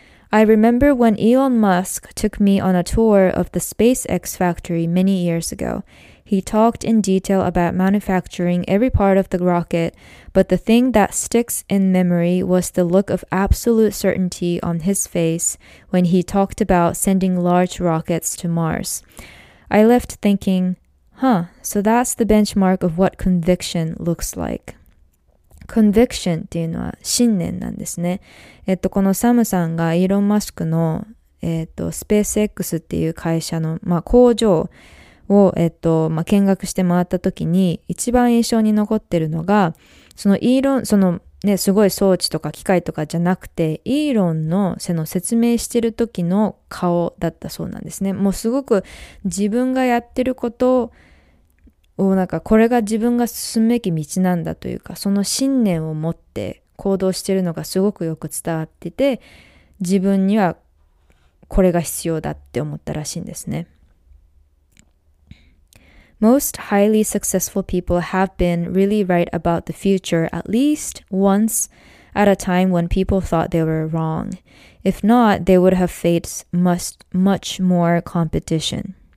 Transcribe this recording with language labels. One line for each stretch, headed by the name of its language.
English: I remember when Elon Musk took me on a tour of the SpaceX factory many years ago. He talked in detail about manufacturing every part of the rocket, but the thing that sticks in memory was the look of absolute certainty on his face when he talked about sending large rockets to Mars. I left thinking, huh, so that's the benchmark of what conviction looks like.
Japanese: Conviction っていうのは信念なんですね。このサムさんがイーロン・マスクの、スペース X っていう会社の、まあ、工場を、まあ、見学して回った時に一番印象に残ってるのが、そのイーロン、そのね、すごい装置とか機械とかじゃなくて、イーロンの説明してる時の顔だったそうなんですね。もうすごく自分がやってることを、なんかこれが自分が進むべき道なんだというか、その信念を持って行動してるのがすごくよく伝わってて、自分にはこれが必要だって思ったらしいんですね。
English: Most highly successful people have been really right about the future at least once at a time when people thought they were wrong. If not, they would have faced much more competition.